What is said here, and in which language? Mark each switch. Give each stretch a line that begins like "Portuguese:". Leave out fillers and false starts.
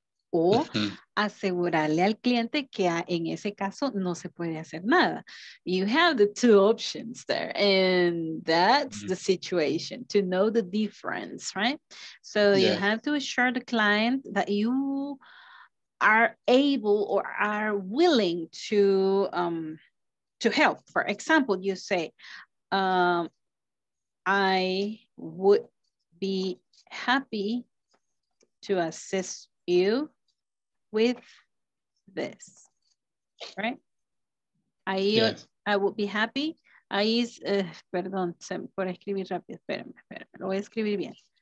Spanish: O asegurarle al cliente que en ese caso no se puede hacer nada.
English: You have the two options there. And that's the situation, to know the difference, right? So you have to assure the client that you are able or are willing to help. For example, you say, I would be happy to assist you with this, right? I would be happy.
Spanish: Ahí es, perdón, por escribir rápido, espérame, lo voy a escribir bien.